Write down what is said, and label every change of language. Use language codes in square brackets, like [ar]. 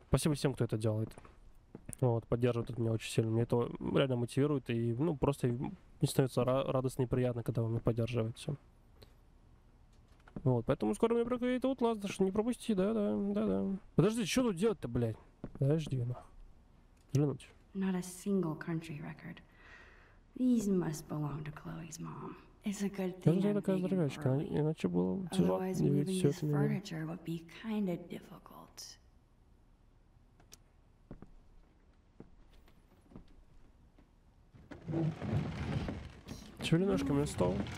[ru] Спасибо всем, кто это делает. Вот, поддерживает это меня очень сильно. Мне это реально мотивирует. И, ну, просто мне становится радостно и приятно, когда вы меня поддерживаете. Вот, поэтому скоро мне приходит Outlast, что не пропусти, да-да-да-да. Подожди, что тут делать-то, блядь? Подожди, ну. Взглянуть. [en] Not a single country record. These must belong to Chloe's mom. It's a good thing. [ru] Это такая дорогачка, иначе было тяжело. [en] Otherwise, moving this furniture would be kind of difficult. [ru] Чего немножко мне стол?